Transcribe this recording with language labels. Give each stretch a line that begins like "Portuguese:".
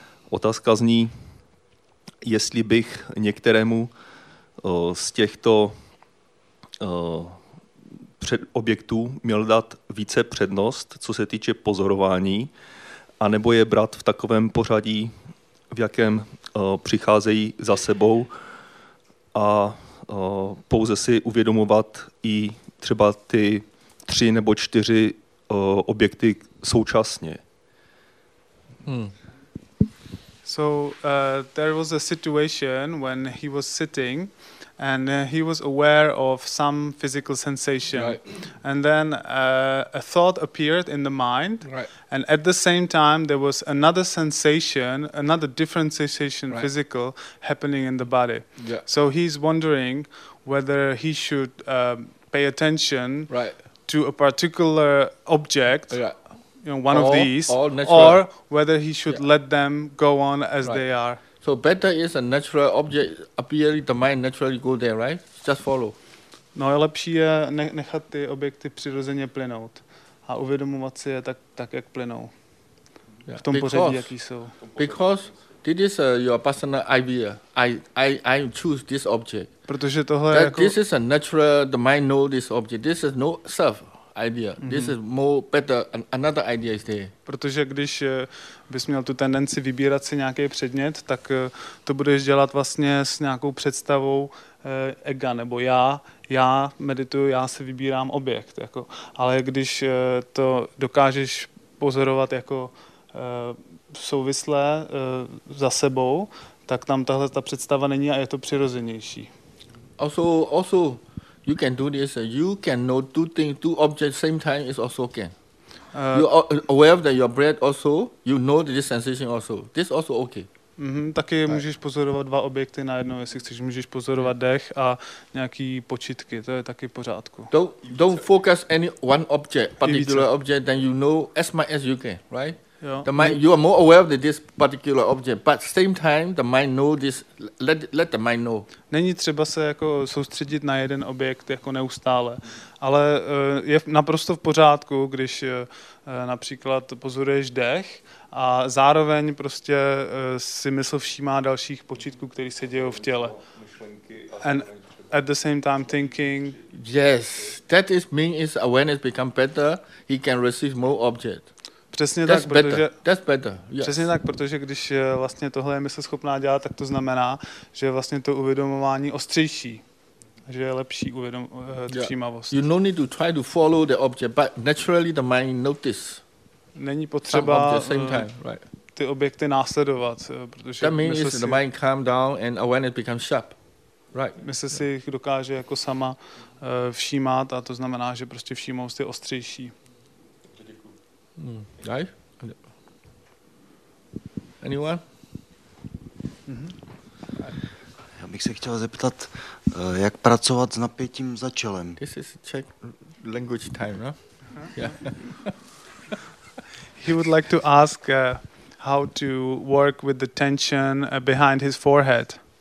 Czech: Otázka zní, jestli bych některému z těchto objektů měl dát více přednost, co se týče pozorování, anebo je brát v takovém pořadí, v jakém přicházejí za sebou a pouze si uvědomovat i třeba ty tři nebo čtyři objekty současně.
English: So there was a situation when he was sitting and he was aware of some physical sensation. Right. And then a thought appeared in the mind. Right. And at the same time there was another sensation, another different sensation, right, physical happening in the body. Yeah. So he's wondering whether he should pay attention, right, to a particular object. Yeah. You know, one or, of these, natural, or whether he should, yeah, let them go on as, right, they are. So better is a natural object appear in the mind, naturally go there, right? Just follow.
Czech: No, je lepší je nechat ty objekty přirozeně plynout a uvědomovat si je tak jak plynou. Yeah. V tom
English: because,
Czech: pořadí, jaký jsou.
English: Because this is your personal idea. I choose this object.
Czech: Protože tohle
English: that
Czech: je jako...
English: This is a natural, the mind know this object. This is no self idea. Mm-hmm. This is more better. Another idea is there.
Czech: Protože když bys měl tu tendenci vybírat si nějaký předmět, tak to budeš dělat vlastně s nějakou představou ega nebo já. Já medituju, já si vybírám objekt. Jako. Ale když to dokážeš pozorovat jako souvislé za sebou, tak tam tahle ta představa není a je to přirozenější.
English: Also You can do this. You can know two things, two objects same time is also okay. You are aware that your breath also, you know this sensation also. This also okay.
Czech: Mm-hmm, taky
English: right.
Czech: Můžeš pozorovat dva objekty na jedno, jestli chceš, můžeš pozorovat dech a nějaký počítky, to je taky pořádku.
English: Don't focus any one object, particular object, then you know as much as you can, right?
Czech: Jo.
English: The mind, you are more aware of this particular object, but same time the mind know this, let the mind know.
Czech: Není třeba se jako soustředit na jeden objekt jako neustále, ale je naprosto v pořádku, když například pozoruješ dech a zároveň prostě si mysl všímá dalších počítků, které se dějou v těle.
English: And at the same time thinking, yes, that is mean is awareness become better, he can receive more object.
Czech: Přesně
English: that's
Czech: tak, protože
English: better. That's better. Yes.
Czech: Přesně tak, protože když vlastně tohle je mysl schopná dělat, tak to znamená, že vlastně to uvědomování ostřejší, že je lepší všímavost.
English: You no need to try to follow the object, but naturally the mind notice.
Czech: Není potřeba ty objekty následovat, protože
English: that means si, the mind calm down and awareness becomes sharp. Right.
Czech: Mysl si jich dokáže jako sama všímat a to znamená, že prostě všímavost je ostřejší. Mm.
English: Anyone? Mm-hmm.
Czech: Já bych se chtěl zeptat, jak pracovat s napětím za čelem.
English: This is Czech language time, no? He would like to ask how to work with the tension behind his forehead.